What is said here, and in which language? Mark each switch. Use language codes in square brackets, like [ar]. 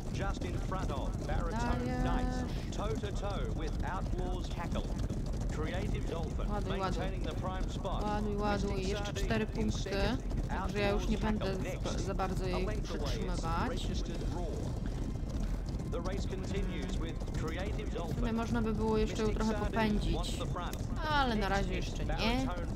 [en] Just in front of Baritone Knights, toe-to-toe with Outlaws Hackle. Creative Dolphin, maintaining the prime spot. [pl] Ładuj, jeszcze 4 punkty, także ja już nie będę za bardzo jej przytrzymywać. [en] The race continues with Creative Dolphin. [pl] Można by było jeszcze ją trochę popędzić, ale na razie jeszcze nie.